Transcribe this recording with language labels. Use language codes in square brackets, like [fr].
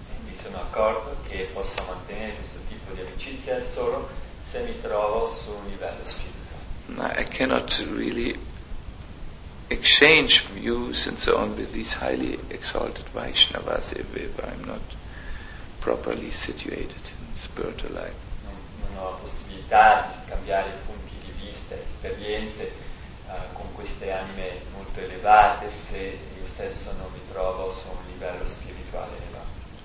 [it] Mi sono accorto che posso mantenere questo tipo di amicizia solo se mi trovo su un livello spirituale. [en] I cannot really exchange views and so on with these highly exalted Vaishnavas if I'm not properly situated in spiritual life. [it] Non ho la possibilità di cambiare punti di vista, esperienze con queste anime molto elevate se io stesso non mi trovo su un livello spirituale elevato.